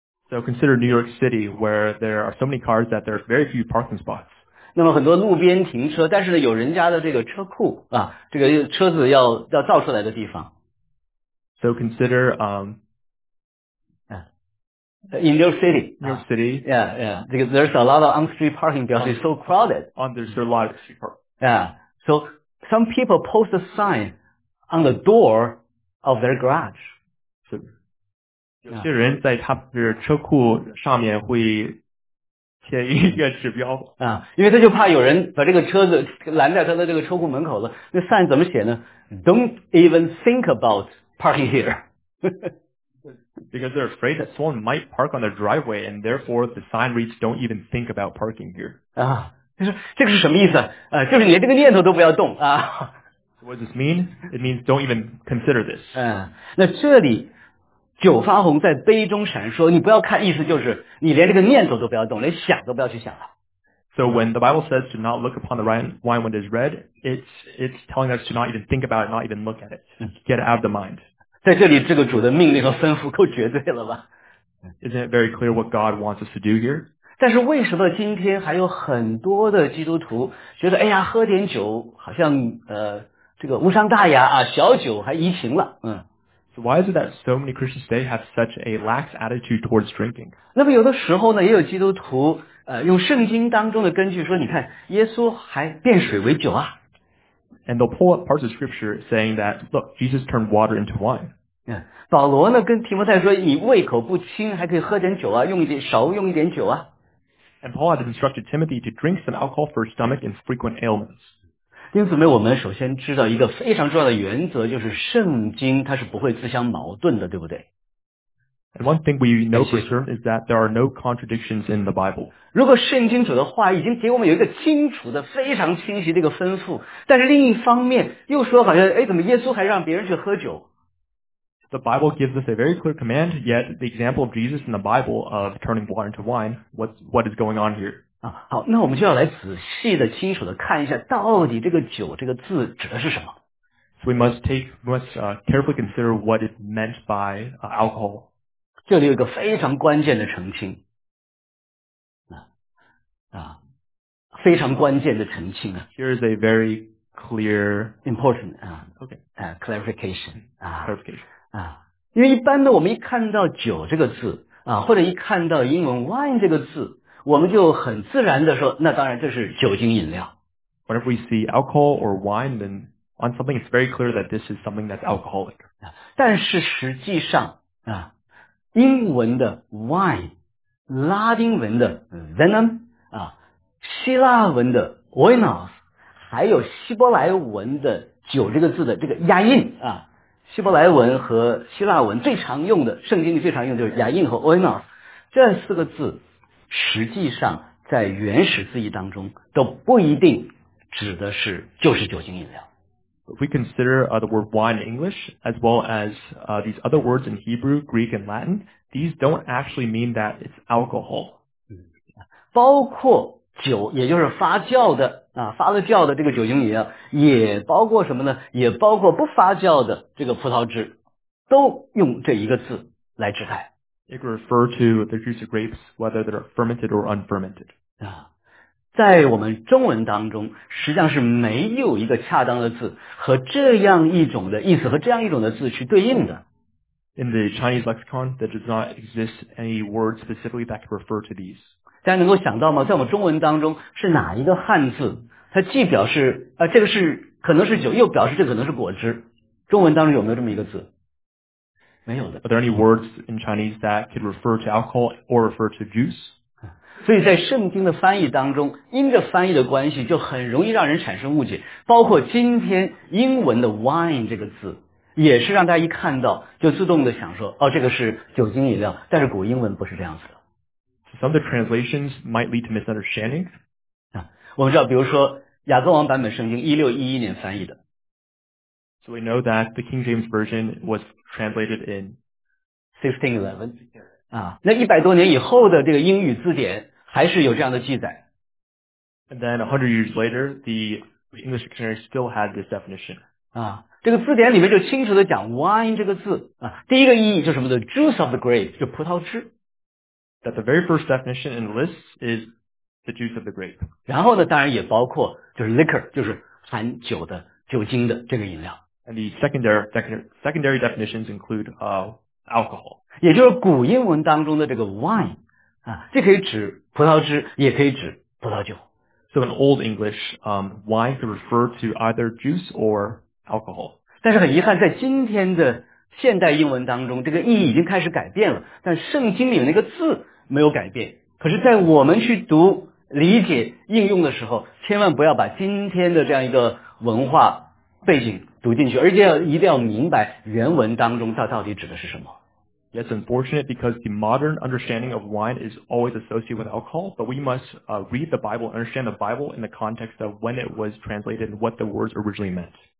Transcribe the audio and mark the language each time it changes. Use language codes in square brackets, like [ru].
[en] So consider New York City, where there are so many cars that there are very few parking spots. [zh] 那么很多路边停车，但是呢，有人家的这个车库啊，这个车子要造出来的地方。 [en] So consider, in your city. New city. Yeah, yeah. Because there's a lot of on-street parking because it's so crowded. There's a lot of street parking. Yeah. So some people post a sign on the door of their garage. So, [zh] 有些人在他的车库上面会贴一个指标。啊，因为他就怕有人把这个车子拦在他的这个车库门口了。那 sign 怎么写呢？ [en] Don't even think about parking here. Because they're afraid that someone might park on the driveway, and therefore the sign reads, "Don't even think about parking here." [zh] 啊，就是这个是什么意思？就是连这个念头都不要动啊。 [en] What does this mean? It means don't even consider this. [zh] 嗯，那这里酒发红在杯中闪烁，你不要看，意思就是你连这个念头都不要动，连想都不要去想了。 [en] So when the Bible says to not look upon the wine when it is red, it's telling us to not even think about it, not even look at it, get out of the mind. [zh] 在这里，这个主的命令和吩咐够绝对了吧？ [en] Isn't it very clear what God wants us to do here? [zh] 但是为什么今天还有很多的基督徒觉得，哎呀，喝点酒好像这个无伤大雅啊，小酒还怡情了，嗯。 [en] So why is it that so many Christians today have such a lax attitude towards drinking? [zh] 那么有的时候呢，也有基督徒用圣经当中的根据说，你看耶稣还变水为酒啊。 [en] And they'll pull up parts of scripture saying that, look, Jesus turned water into wine. Yeah. [zh] 保罗呢跟提摩太说，你胃口不清，还可以喝点酒啊，用一点酒啊。 [en] And Paul had instructed Timothy to drink some alcohol for his stomach and frequent ailments. [zh] 弟兄姊妹，我们首先知道一个非常重要的原则，就是圣经它是不会自相矛盾的，对不对？ [en] And one thing we know for sure is that there are no contradictions in the Bible. [zh] 如果圣经主的话已经给我们有一个清楚的、非常清晰的一个吩咐，但是另一方面又说好像，哎，怎么耶稣还让别人去喝酒？ [en] The Bible gives us a very clear command, yet the example of Jesus in the Bible of turning water into wine, what is going on here? [zh] 好，那我们就要来仔细的、清楚的看一下，到底这个酒这个字指的是什么。 [en] So we must carefully consider what is meant by alcohol. [zh] 这里有一个非常关键的澄清。非常关键的澄清啊。 [en] Here is a very clear, important, clarification. Clarification. [zh] 因为一般的我们一看到酒这个字啊，或者一看到英文 wine 这个字，我们就很自然的说，那当然这是酒精饮料。 [en] Whenever we see alcohol or wine, then on something it's very clear that this is something that's alcoholic. [zh] 但是实际上啊，英文的 wine, 拉丁文的 venom, 啊，希腊文的 oinos, 还有希伯来文的酒这个字的这个押韵啊，希伯来文和希腊文最常用的，圣经里最常用的就是押韵和 oinos, 这四个字实际上在原始字义当中都不一定指的是就是酒精饮料。 [en] If we consider the word wine in English, as well as these other words in Hebrew, Greek, and Latin, these don't actually mean that it's alcohol. [zh] 包括酒，也就是发酵的啊，发了酵的这个酒精饮料，也包括什么呢？也包括不发酵的这个葡萄汁，都用这一个字来指代。 [en] It could refer to the juice of grapes, whether they're fermented or unfermented. [zh] 在我们中文当中，实际上是没有一个恰当的字和这样一种的意思和这样一种的字去对应的。 [en] In the Chinese lexicon, there does not exist any word specifically that could refer to these. [zh] 大家能够想到吗？在我们中文当中，是哪一个汉字，它既表示这个是可能是酒，又表示这可能是果汁？中文当中有没有这么一个字？没有的。 [en] Are there any words in Chinese that could refer to alcohol or refer to juice? [zh] 所以在圣经的翻译当中，因着翻译的关系就很容易让人产生误解，包括今天英文的 wine 这个字也是让大家一看到就自动的想说，哦，这个是酒精饮料，但是古英文不是这样子的。 [en] Some of the translations might lead to misunderstanding. [zh] 我们知道比如说雅各王版本圣经1611年翻译的。 [en] So we know that the King James Version was translated in 1611. [zh] 那100多年以后的这个英语字典还是有这样的记载。 [en] And then 100 years later, the English dictionary still had this definition. [zh] 这个字典里面就清楚的讲 wine 这个字。第一个意义就是什么的 [en] juice of the grape, [zh] 就葡萄汁。 [en] That the very first definition in the list is the juice of the grape. [zh] 然后呢，当然也包括就是 liquor， 就是含酒的酒精的这个饮料。 [en] And the secondary definitions include alcohol. [zh] 也就是古英文当中的这个 wine 啊，这可以指葡萄汁，也可以指葡萄酒。 [en] So in Old English, wine can refer to either juice or alcohol. [zh] 但是很遗憾，在今天的现代英文当中，这个意义已经开始改变了。但圣经里那个字没有改变。可是，在我们去读、理解、应用的时候，千万不要把今天的这样一个文化背景读进去，而且一定要明白原文当中它到底指的是什么。 [en] It's unfortunate because the modern understanding of wine is always associated with alcohol, but we must read the Bible, understand the Bible in the context of when it was translated and what the words originally meant.